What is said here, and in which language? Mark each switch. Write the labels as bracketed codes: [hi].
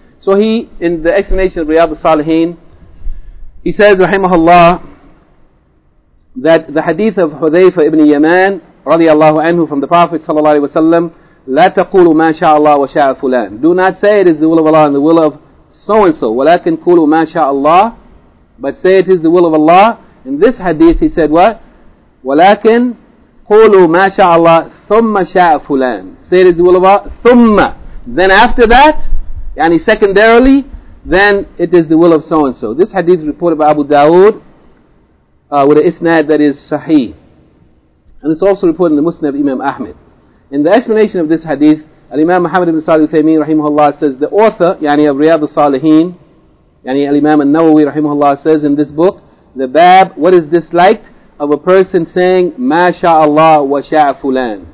[en] So he, in the explanation of Riyadh al-Salihin, he says, rahimahullah, that the hadith of Hudhayfa ibn Yaman radiallahu anhu from the Prophet sallallahu alaihi wasallam, [ar] لا تقولوا ما شاء الله وشاء فلان. [en] Do not say it is the will of Allah and the will of so-and-so. [ar] ولكن قولوا ما شاء الله. [en] But say it is the will of Allah. In this hadith he said what? [ar] ولكن قولوا ما شاء الله ثم شاء فلان. [en] Say it is the will of Allah. [ar] ثم. [en] Then after that, yani secondarily, then it is the will of so-and-so. This hadith is reported by Abu Dawood with an isnad that is sahih. And it's also reported in the Musnad of Imam Ahmed. In the explanation of this hadith, Al-Imam Muhammad ibn Salih al-Uthaymeen rahimahullah says, the author, yani of Riyadh al-Salihin, yani Al-Imam al-Nawawi rahimahullah says in this book, the bab, what is this like of a person saying, ma sha'Allah wa sha'a fulan.